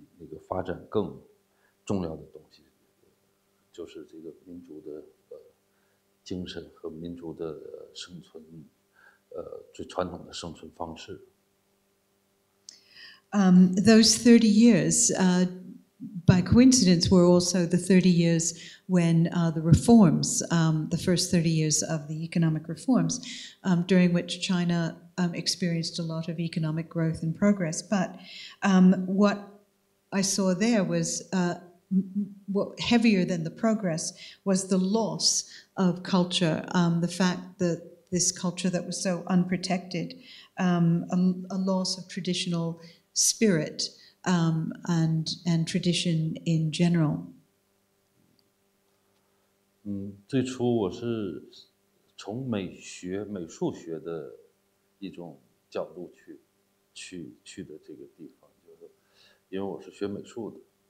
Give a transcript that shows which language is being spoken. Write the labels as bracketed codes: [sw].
[zh] 这三十年其实正是中国从八十年代的改革开放的一个三十年，有很巨大的一个变化，但是同时也有一种最沉重的失去的无法再能保护下来的，比那个发展更重要的东西。就是这个民族的精神和民族的生存，最传统的生存方式。 [en] Those 30 years, by coincidence, were also the 30 years when the reforms, the first 30 years of the economic reforms, during which China experienced a lot of economic growth and progress. But what I saw there was heavier than the progress was the loss of culture, the fact that this culture that was so unprotected, a loss of traditional spirit and tradition in general. [zh] 最初我是从美学、美术学的一种角度去的这个地方，就是因为我是学美术的。